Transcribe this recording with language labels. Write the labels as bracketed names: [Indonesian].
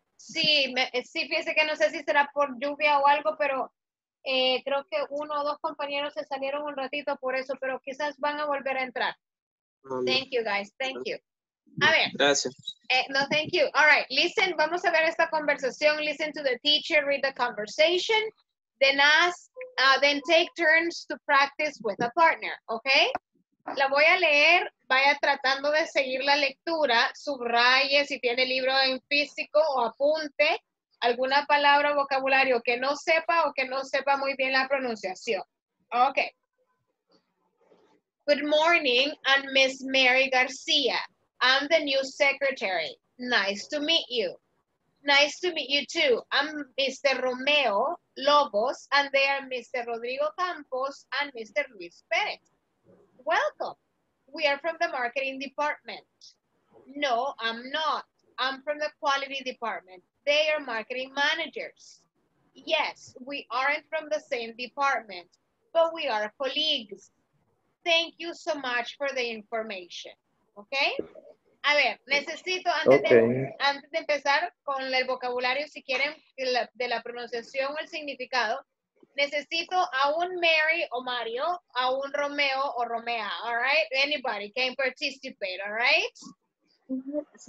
[Spanish] Sí, sí, fíjese que no sé si será por lluvia o algo, pero creo que uno o dos compañeros se salieron un ratito por eso, pero quizás van a volver a entrar. [English] Thank you, guys. Thank you. [Spanish] A ver. Gracias. [English] No, thank you. All right, listen, [Spanish] vamos a ver esta conversación. [English] Listen to the teacher, read the conversation. Then ask, then take turns to practice with a partner, okay? [Spanish] La voy a leer, vaya tratando de seguir la lectura, subraye si tiene libro en físico o apunte alguna palabra o vocabulario que no sepa o que no sepa muy bien la pronunciación. [English] Okay. Good morning, I'm Miss Mary Garcia. I'm the new secretary. Nice to meet you. Nice to meet you too. I'm Mr. Romeo Lobos, and they are Mr. Rodrigo Campos and Mr. Luis Pérez. Welcome. We are from the marketing department. No, I'm not. I'm from the quality department. They are marketing managers. Yes, we aren't from the same department, but we are colleagues. Thank you so much for the information. Okay? [Spanish] A ver, necesito antes de empezar con el vocabulario, si quieren, de la pronunciación o el significado, necesito a un Mary o Mario, a un Romeo o Romea, [English] all right? Anybody can participate, all right?